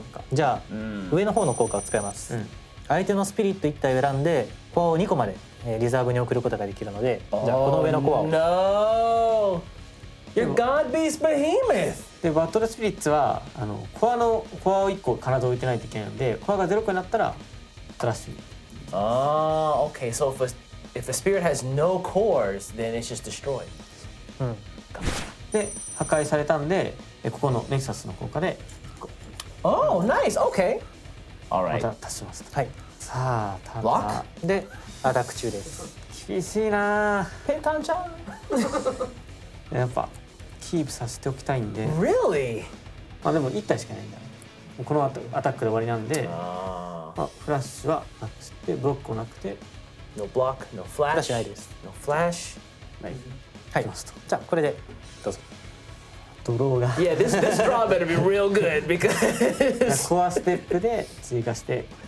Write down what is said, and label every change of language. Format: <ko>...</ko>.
<ja>のか。じゃあ、上の方の効果を使います、相手のスピリット1体を選んでコアを2個まで、リザーブに送ることができるので、じゃあこの上のコアを、</ja> <en>No! You're God Beast Behemoth!</en> <ja>でバトルスピリッツはあのコアのコアを1個必ず置いてないといけないので、コアが0個になったらトラッシュ。</ja> <en>あー、 OK. So if a spirit has no cores, then it's just destroyed.</en> <ja>で破壊されたんで、ここのネクサスの効果で、</ja> <en>Oh, nice! OK! All right.</en> <ja>また足します。はい。さあ、ター</ja> <en>ン。Lock?</en> <ja>で、アタック中です。厳しいなぁ。ペンタンちゃん。やっぱ。キープさせておきたいんで。</ja> <en>Really?</en> <ja>まあでも1体しかないんだ。このアタックで終わりなんで、まあ、フラッシュはなくして、ブロックもなくて。</ja> <en>No block, no flash.</en> <ja>フラッシュないです。</ja> <en>No flash.</en> <ja>はい。はい、ますと。じゃあこれでどうぞ。ドローが。</ja> <en>Yeah, this draw better be real good because.</en> <ja>コアステップで追加して。</ja>